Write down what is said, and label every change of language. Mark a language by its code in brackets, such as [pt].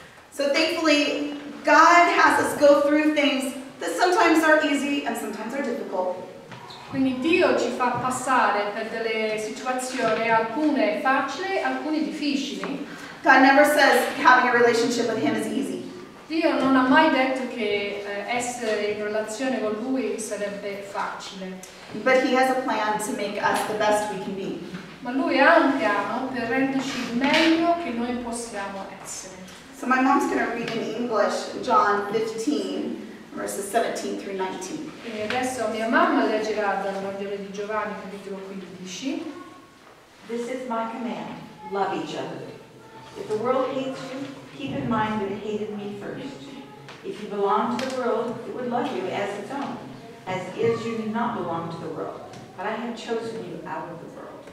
[en] So thankfully God has us go through things that sometimes are easy and sometimes are difficult. [it] Quindi Dio ci fa passare per delle situazioni, alcune facili, alcune difficili. [en] God never says having a relationship with Him is easy. [it] Dio non ha mai detto che essere in relazione con Lui sarebbe facile. [en] But He has a plan to make us the best we can be. [it] Ma Lui ha un piano per renderci il meglio che noi possiamo essere. [en] So my mom's going to read in English John 15, verses 17 through 19. [it] E adesso mia mamma leggerà dal Vangelo di Giovanni, capitolo 15. [en] This is my command, love each other. If the world hates you, keep in mind that it hated me first. If you belong to the world, it would love you as its own, as if you did not belong to the world. But I have chosen you out of the world.